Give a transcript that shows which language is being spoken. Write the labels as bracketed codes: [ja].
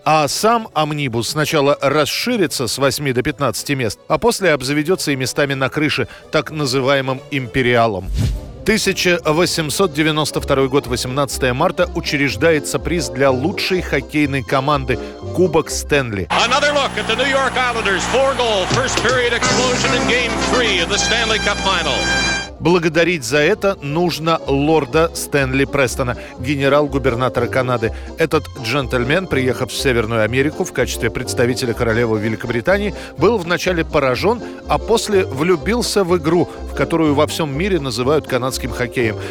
[ru] А сам омнибус сначала расширится с 8 до 15 мест, а после обзаведется и местами на крыше, так называемым империалом. 1892 год, 18 марта, учреждается приз для лучшей хоккейной команды – Кубок Стэнли. [en] Another look at the New York Islanders. Four goal, first period explosion in game 3 of the Stanley Cup final. [ru] Благодарить за это нужно лорда Стэнли Престона, генерал-губернатора Канады. Этот джентльмен, приехав в Северную Америку в качестве представителя королевы Великобритании, был вначале поражен, а после влюбился в игру, в которую во всем мире называют канадским хоккеем.